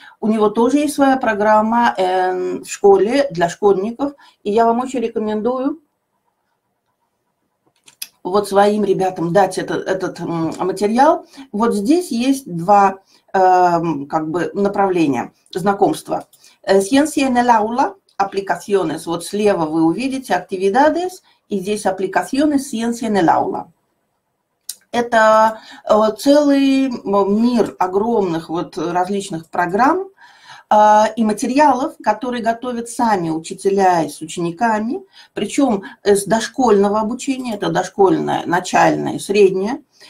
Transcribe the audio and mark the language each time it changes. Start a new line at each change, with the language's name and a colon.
Russian: У него тоже есть своя программа в школе для школьников, и я вам очень рекомендую вот своим ребятам дать этот материал. Вот здесь есть два как бы направления знакомства.
Spanish: Ciencia en el aula, aplicaciones.
Russian: Вот слева вы увидите actividades, и здесь
Spanish: aplicaciones ciencia en el aula.
Russian: Это целый мир огромных вот различных программ и материалов, которые готовят сами учителя и с учениками, причем с дошкольного обучения, это дошкольное, начальное, среднее.